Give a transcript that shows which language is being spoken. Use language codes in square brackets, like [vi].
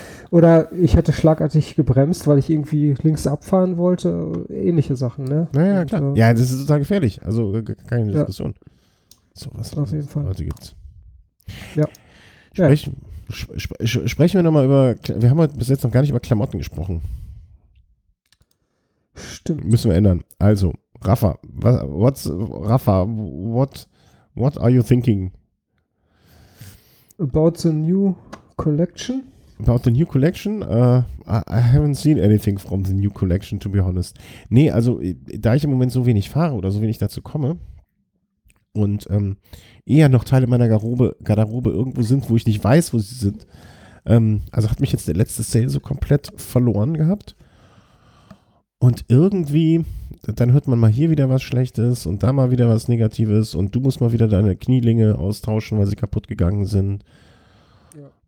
[de] Oder ich hätte schlagartig gebremst, weil ich irgendwie links abfahren wollte, ähnliche Sachen, ne? Naja, und, klar. Ja, das ist total gefährlich, also keine Diskussion. Ja. So was auf jeden Fall. Leute gibt's. Ja. Sprechen wir nochmal über. Wir haben heute bis jetzt noch gar nicht über Klamotten gesprochen. Stimmt. Müssen wir ändern. [en] Also, Rafa, what are you thinking? About the new collection? About the new collection? I haven't seen anything from the new collection, to be honest. [de] Nee, also, da ich im Moment so wenig fahre oder so wenig dazu komme. Und eher noch Teile meiner Garderobe irgendwo sind, wo ich nicht weiß, wo sie sind. Also hat mich jetzt der letzte Sale so komplett verloren gehabt. Und irgendwie, dann hört man mal hier wieder was Schlechtes und da mal wieder was Negatives und du musst mal wieder deine Knielinge austauschen, weil sie kaputt gegangen sind. Ja.